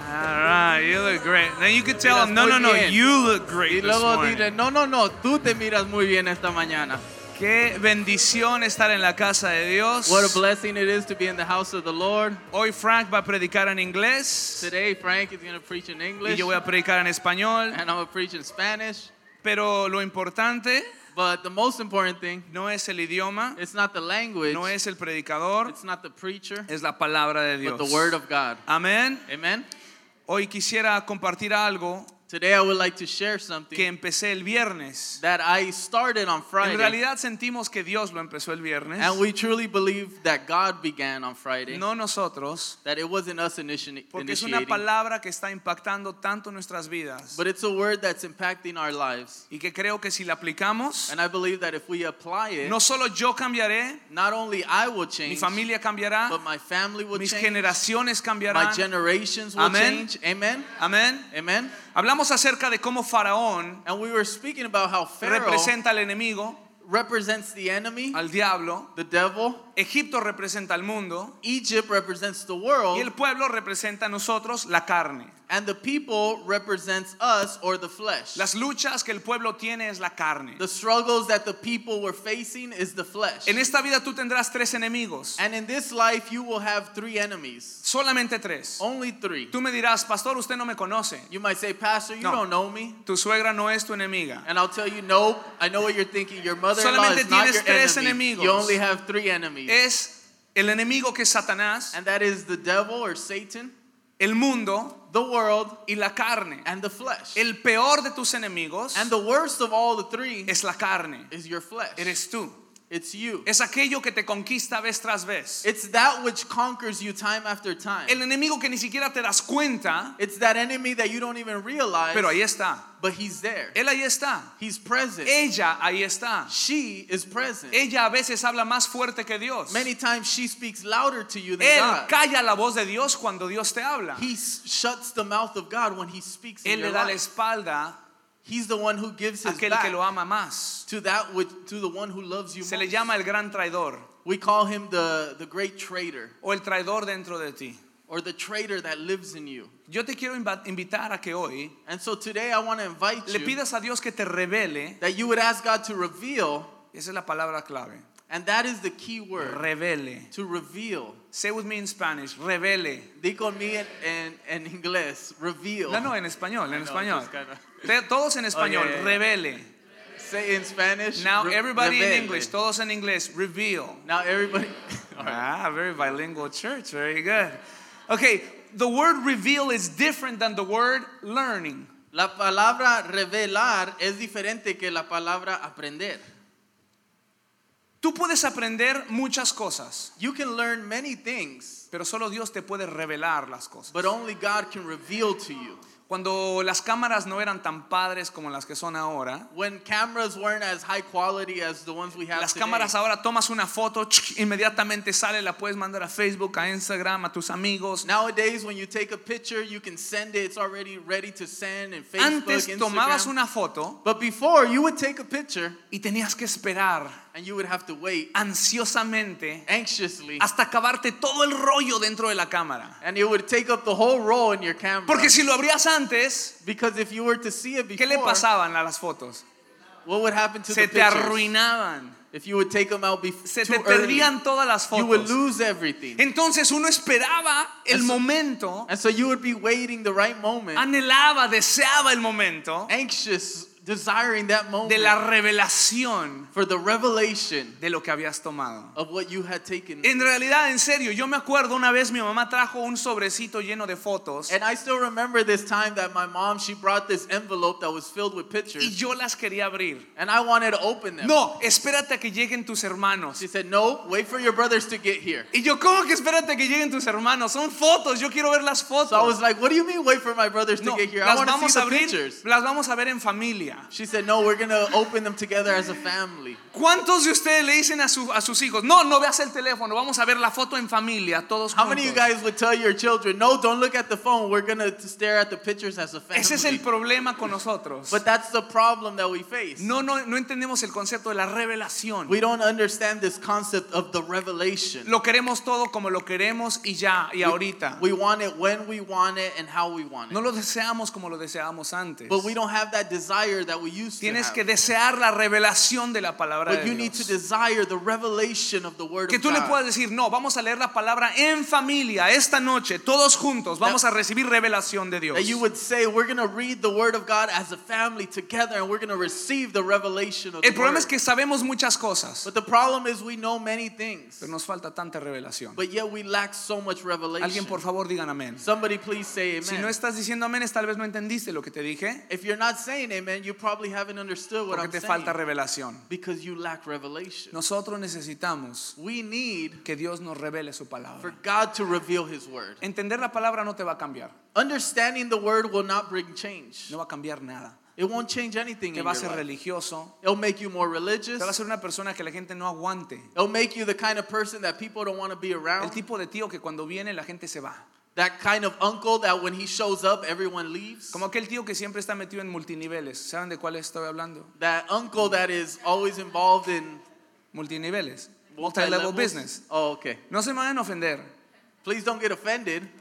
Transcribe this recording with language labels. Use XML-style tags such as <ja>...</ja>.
<en>All right, you look great. Then you could tell them, no, you look great this morning.</en> <es>Y luego dile, no, tú te miras muy bien esta mañana. Qué bendición estar en la casa de Dios.</es> <en>What a blessing it is to be in the house of the Lord.</en> <es>Hoy Frank va a predicar en inglés.</es> <en>Today Frank is going to preach in English.</en> <es>Y yo voy a predicar en español.</es> <en>And I'm going to preach in Spanish.</en> <es>Pero lo importante,</es> <en>but the most important thing,</en> <es>no es el idioma,</es> <en>it's not the language,</en> <es>no es el predicador,</es> <en>it's not the preacher,</en> <es>es la palabra de Dios,</es> <en>but the word of God. Amen. Amen.</en> <es>Hoy quisiera compartir algo.</es> <en>Today I would like to share something</en> <es>que empecé el viernes,</es> <en>that I started on Friday.</en> <es>En realidad sentimos que Dios lo empezó el viernes.</es> <en>And we truly believe that God began on Friday.</en> <es>No nosotros.</es> <en>That it wasn't us initiating.</en> <es>Porque es una palabra que está impactando tanto nuestras vidas.</es> <en>But it's a word that's impacting our lives.</en> <es>Y que creo que si la aplicamos,</es> <en>and I believe that if we apply it,</en> <es>no solo yo cambiaré,</es> <en>not only I will change,</en> <es>mi familia cambiará,</es> <en>but my family will</en> <es>mis</es> <en>change,</en> <es>generaciones cambiarán,</es> <en>my generations will</en> <es>amen.</es> <en>Change. Amen. Amen. Amen.</en> <es>Hablamos acerca de cómo Faraón,</es> <en>and we were speaking about how Pharaoh</en> <es>representa al enemigo,</es> <en>represents the enemy,</en> <es>al diablo,</es> <en>the devil.</en> <es>Egipto representa al mundo,</es> <en>Egypt represents the world,</en> <es>y el pueblo representa a nosotros, la carne,</es> <en>and the people represents us or the flesh.</en> <es>Las luchas que el pueblo tiene es la carne.</es> <en>The struggles that the people were facing is the flesh.</en> <es>En esta vida tú tendrás tres enemigos.</es> <en>And in this life you will have three enemies.</en> <es>Solamente tres.</es> <en>Only three.</en> <es>Tú me dirás, pastor, usted no me conoce.</es> <en>You might say, pastor, you don't know me.</en> <es>Tu suegra no es tu enemiga.</es> <en>And I'll tell you, no, I know what you're thinking. Your mother-in-law</en> <es>solamente</es> <en>is not your</en> <es>tienes tres</es> <en>enemy.</en> <es>Enemigos.</es> <en>You only have three enemies.</en> <es>Es el enemigo que es Satanás,</es> <en>and that is the devil or Satan,</en> <es>el mundo,</es> <en>the world,</en> <es>y la carne,</es> <en>and the flesh.</en> <es>El peor de tus enemigos,</es> <en>and the worst of all the three,</en> <es>es la carne,</es> <en>is your flesh.</en> <es>Eres tú.</es> <en>It's you.</en> <es>Es aquello que te conquista vez tras vez.</es> <en>It's that which conquers you time after time.</en> <es>El enemigo que ni siquiera te das cuenta.</es> <en>It's that enemy that you don't even realize.</en> <es>Pero ahí está.</es> <en>But he's there.</en> <es>Él ahí está.</es> <en>He's present.</en> <es>Ella ahí está.</es> <en>She is present.</en> <es>Ella a veces habla más fuerte que Dios.</es> <en>Many times she speaks louder to you than</en> <es>Él</es> <en>God.</en> <es>Él calla la voz de Dios cuando Dios te habla.</es> <en>He shuts the mouth of God when he speaks</en> <es>Él</es> <en>in your</en> <es>le da</es> <en>life.</en> <es>La espalda.</es> <en>He's the one who gives his</en> <es>aquel</es> <en>back</en> <es>que lo ama más.</es> <en>To that with, to the one who loves you</en> <es>se</es> <en>most.</en> <es>Le llama el gran traidor.</es> <en>We call him the great traitor.</en> <es>O el traidor dentro de ti.</es> <en>Or the traitor that lives in you.</en> <es>Yo te quiero invitar a que hoy,</es> <en>and so today I want to invite</en> <es>le pidas</es> <en>you</en> <es>a Dios que te revele,</es> <en>that you would ask God to reveal.</en> <es>Esa es la palabra clave.</es> <en>And that is the key word.</en> <es>Revele.</es> <en>To reveal. Say with me in Spanish. Revele.</en> <es>Di conmigo en inglés. Reveal. No, en español. En español.</es> <en>No, kinda...</en> <es>todos en español.</es> <en>Oh, yeah,</en> <es>revele.</es> <en>Say in Spanish. Now everybody revele. In English.</en> <es>Todos en inglés.</es> <en>Reveal. Now everybody. Ah, very bilingual church. Very good. Okay. The word reveal is different than the word learning.</en> <es>La palabra revelar es diferente que la palabra aprender. Tú puedes aprender muchas cosas.</es> <en>You can learn many things.</en> <es>Pero solo Dios te puede revelar las cosas.</es> <en>But only God can reveal to you.</en> <es>Cuando las cámaras no eran tan padres como las que son ahora,</es> <en>when cameras weren't as high quality as the ones we have</en> <es>las cámaras</es> <en>today,</en> <es>ahora tomas una foto, inmediatamente sale, la puedes mandar a Facebook, a Instagram, a tus amigos.</es> <en>Nowadays when you take a picture, you can send it, it's already ready to send in Facebook,</en> <es>antes tomabas</es> <en>Instagram.</en> <es>Una foto,</es> <en>but before you would take a picture,</en> <es>y tenías que esperar,</es> <en>and you would have to wait</en> <es>ansiosamente,</es> <en>anxiously,</en> <es>hasta acabarte todo el rollo dentro de la cámara,</es> <en>and you would take up the whole roll in your camera,</en> <es>porque si lo abrías antes,</es> <en>because if you were to see it before,</en> <es>¿qué le pasaban a las fotos?</es> <en>What would happen to</en> <es>se</es> <en>the pictures?</en> <es>Se te arruinaban.</es> <en>If you would take them out before,</en> <es>se te perdían todas las fotos.</es> <en>You would lose everything.</en> <es>Entonces uno esperaba el momento.</es> <en>And so you would be waiting the right moment.</en> <es>Anhelaba, deseaba el momento.</es> <en>Anxious. desiring that moment</en> <es>de la revelación</es> <en>for the revelation</en> <es>de lo que habías tomado</es> <en>of what you had taken.</en> <es>En realidad, en serio, yo me acuerdo una vez mi mamá trajo un sobrecito lleno de fotos.</es> <en>And I still remember this time that my mom, she brought this envelope that was filled with pictures.</en> <es>Y yo las quería abrir.</es> <en>And I wanted to open them.</en> <es>No, espérate a que lleguen tus hermanos.</es> <en>She said, no, wait for your brothers to get here.</en> <es>Y yo, ¿cómo que espérate a que lleguen tus hermanos? Son fotos, yo quiero ver las fotos.</es> <en>So I was like, what do you mean wait for my brothers to get here?</en> <es>Las</es> <en>I want to see the</en> <es>abrir,</es> <en>pictures.</en> <es>Las vamos a ver en familia.</es> <en>She said, no, we're going to open them together as a family.</en> <es>¿Cuántos de ustedes le dicen a sus hijos, no, no veas el teléfono, vamos a ver la foto en familia, todos juntos?</es> <en>How many of you guys would tell your children, no, don't look at the phone, we're going to stare at the pictures as a family?</en> <es>Ese es el problema con nosotros.</es> <en>But that's the problem that we face.</en> <es>No entendemos el concepto de la revelación.</es> <en>We don't understand this concept of the revelation.</en> <es>Lo queremos todo como lo queremos y ya, y ahorita.</es> <en>We want it when we want it and how we want it.</en> <es>No lo deseamos como lo deseábamos antes.</es> <en>But we don't have that desire that we used to have.</en> <es>Tienes que desear la revelación de la palabra de Dios.</es> <en>But you need to desire the revelation of the word of God.</en> <es>Que tú le puedas decir, no, vamos a leer la palabra en familia esta noche, todos juntos, vamos a recibir revelación de Dios.</es> <en>That you would say, we're going to read the word of God as a family together and we're going to receive the revelation of the word.</en> <es>El problema es que sabemos muchas cosas.</es> <en>But the problem is we know many things.</en> <es>Pero nos falta tanta revelación.</es> <en>But yet we lack so much revelation.</en> <es>Alguien por favor digan amén.</es> <en>Somebody please say amen.</en> <es>Si no estás diciendo amén, tal vez no entendiste lo que te dije.</es> <en>If you're not saying amen, man, you probably haven't understood what</en> <es>porque</es> <en>I'm saying</en> <es>falta revelación.</es> <en>Because you lack revelation.</en> <es>Nosotros necesitamos</es> <en>we need</en> <es>que Dios nos revele su palabra.</es> <en>For God to reveal his word.</en> <es>Entender la palabra no te va a cambiar.</es> <en>Understanding the word will not bring change.</en> <es>No va a cambiar nada.</es> <en>It won't change anything</en> <es>te</es> <en>in</en> <es>va a ser</es> <en>your life.</en> <es>Religioso.</es> <en>It'll make you more religious.</en> <es>Te va a ser una persona que la gente no aguante.</es> <en>It'll make you the kind of person that people don't want to be around.</en> <es>El tipo de tío que cuando viene la gente se va.</es> <en>That kind of uncle that when he shows up, everyone leaves.</en> <es>Como aquel tío que siempre está metido en multiniveles. ¿Saben de cuál estoy hablando?</es> <en>That uncle that is always involved in multiniveles. Multi-level business. Oh, okay.</en> <es>No se me van a ofender.</es> <en>Please don't get offended.</en>